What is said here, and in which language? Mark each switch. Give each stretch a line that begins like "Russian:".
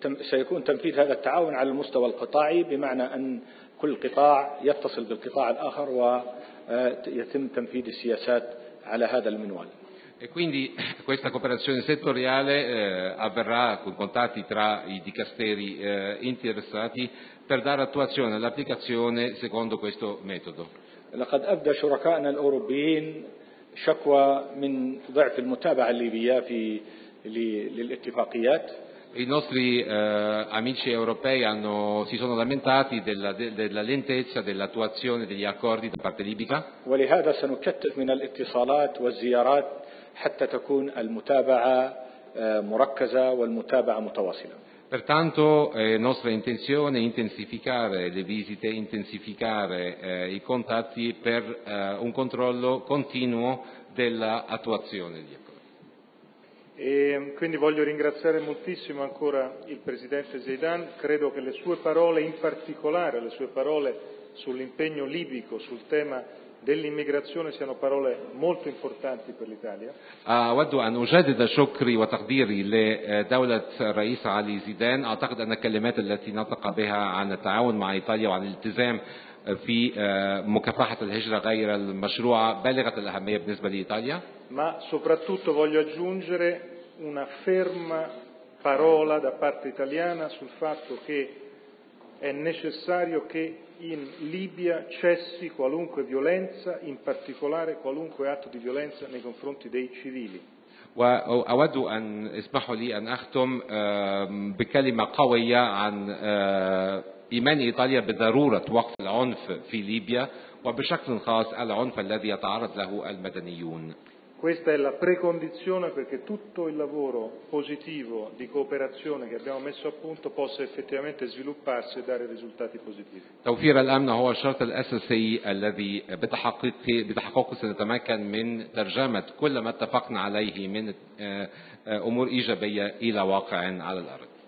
Arabic: سيكون تنفيذ هذا التعاون على المستوى القطاعي، بمعنى أن كل قطاع يتصل بالقطاع الآخر ويتم تنفيذ السياسات على هذا المنوال.
Italian: E quindi questa cooperazione settoriale avverrà con contatti tra i dicasteri interessati per dare attuazione all'applicazione secondo questo metodo.
Arabic: لقد أبدى شركائنا الأوروبيين شكوى من ضعف المتابعة الليبية للاتفاقيات.
Italian: I nostri amici europei hanno, si sono lamentati della, della lentezza dell'attuazione degli accordi da parte libica.
Arabic: ولهذا سنكثف من الاتصالات والزيارات حتى تكون المتابعة مركزة والمتابعة متواصلة.
Italian: Pertanto è nostra intenzione intensificare le visite, intensificare i contatti per un controllo continuo dell'attuazione degli accordi. E quindi voglio ringraziare moltissimo ancora il Presidente Zeidan. Credo che le sue parole, in particolare le sue parole sull'impegno libico, sul tema dell'immigrazione, siano parole molto importanti per l'Italia.
Arabic: أود أن أجدد شكري وتقديري لدولة الرئيس علي زيدان. أعتقد أن الكلمات التي نطق بها عن التعاون مع إيطاليا وعن الالتزام في مكافحة الهجرة غير المشروعة بالغة الأهمية بالنسبة لإيطاليا.
Italian: Ma soprattutto voglio aggiungere una ferma parola da parte italiana sul fatto che è necessario che in Libia cessi qualunque violenza, in particolare qualunque atto di violenza nei confronti dei civili.
Arabic: وأود أن اسمحوا لي أن أختم بكلمة قوية عن إيمان إيطاليا بضرورة وقف العنف في ليبيا وبشكل خاص العنف الذي يتعرض له المدنيون.
Italian: Questa è la precondizione perché tutto il lavoro positivo di cooperazione che abbiamo messo a punto possa effettivamente svilupparsi e dare risultati positivi.
Arabic: توفير الأمن هو الشرط الأساسي الذي بتحقيقه سنتمكن من ترجمة كل ما اتفقنا عليه من أمور إيجابية إلى واقع على الأرض.